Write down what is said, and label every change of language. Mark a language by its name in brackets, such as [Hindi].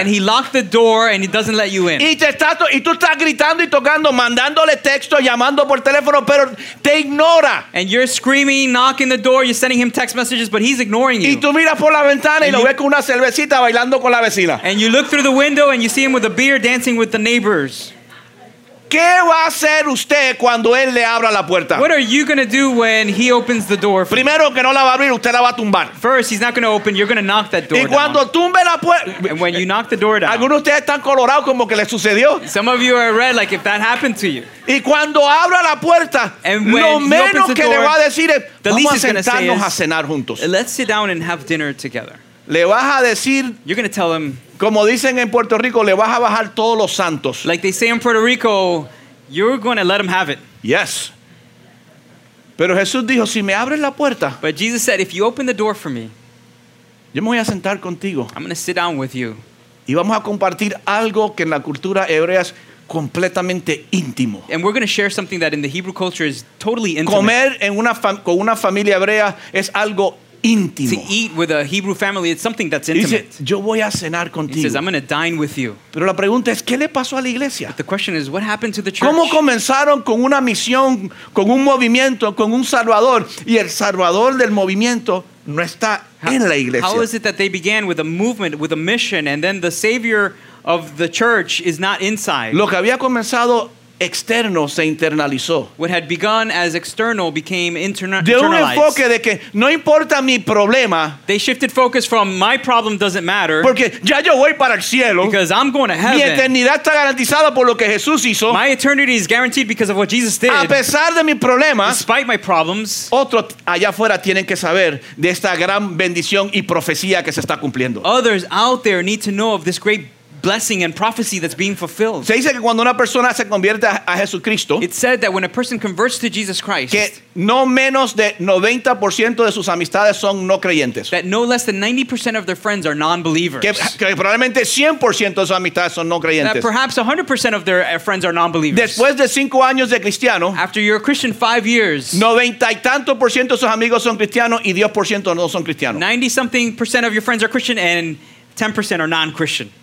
[English] And he locked the door and he doesn't let you in. [Spanish] Y tú estás gritando y tocando, mandándole texto, llamando por teléfono, pero te ignora. [English] And you're screaming, knocking the door, you're sending him text messages, but he's ignoring you. [Spanish] Y tú miras por la ventana y lo ves con una cervecita bailando con la vecina. [English] And you look through the window and you see him with a beer dancing with the neighbors. [Spanish] ¿Qué va a hacer usted cuando él le abra la puerta? [English] What are you going to do when he opens the door? [Spanish] Primero que no la va a abrir, usted la va a tumbar. [English] First, he's not going to open, you're going to knock that door down. [Spanish] Y cuando [English] down. [Spanish] Tumbe la puerta. [English] And when you knock the door down. [Spanish] ¿Alguno de ustedes están colorados como que le sucedió? [English] Some of you are red like if that happened to you. [Spanish] Y cuando abra la puerta, lo menos que [English] door, [Spanish] le va a decir es, vamos a sentarnos a cenar juntos. [English] Let's sit down and have dinner together. [Spanish] Le vas a decir, [English] you're going to tell him, [Spanish] como dicen en Puerto Rico, le vas a bajar todos los santos. [English] Like they say in Puerto Rico, you're going to let him have it. Yes. [Spanish] Pero Jesús dijo, si me abres la puerta, [English] but Jesus said, if you open the door for me, [Spanish] yo me voy a sentar contigo. [English] I'm going to sit down with you. [Spanish] Y vamos a compartir algo que en la cultura hebrea es completamente íntimo. [English] And we're going to share something that in the Hebrew culture is totally intimate. [Spanish] Comer en una con una familia hebrea es algo íntimo. Intimo. [English] To eat with a Hebrew family, it's something that's intimate. [Spanish] Dice, yo voy a cenar contigo. [English] He says, I'm going to dine with you. [Spanish] Pero la pregunta es, ¿qué le pasó a la iglesia? [English] But the question is, what happened to the church? [Spanish] ¿Cómo comenzaron con una misión, con un movimiento, con un salvador, y el salvador del movimiento no está en la iglesia? [English] How is it that they began with a movement, with a mission, and then the savior of the church is not inside? [Spanish] Lo que había comenzado externo se internalizó. [English] What had begun as external became internalized. [Spanish] De un enfoque de que no importa mi problema. [English] They shifted focus from my problem doesn't matter. [Spanish] Porque ya yo voy para el cielo. [English] Because I'm going to heaven. [Spanish] Mi eternidad está garantizada por lo que Jesús hizo. [English] My eternity is guaranteed because of what Jesus did. [Spanish] A pesar de mi problema. [English] Despite my problems. [Spanish] Otros allá afuera tienen que saber de esta gran bendición y profecía que se está cumpliendo. [English] Others out there need to know of this great blessing and prophecy that's being fulfilled. [Spanish] Se dice que cuando una persona se convierte a Jesucristo, [English] it said that when a person converts to Jesus Christ, [Spanish] que no menos de 90% de sus amistades son no creyentes. [English] That no less than 90% of their friends are non-believers. [Spanish] Que probablemente 100% de sus amistades son no creyentes. [English] That perhaps 100% of their friends are non-believers. [Spanish] Después de 5 años de cristiano, [English] after you're a Christian 5 years, [Spanish] 90 y tanto por ciento de sus amigos son cristianos y 10% no son cristianos. [English] 90 something percent of your friends are Christian and 10% are non-Christian.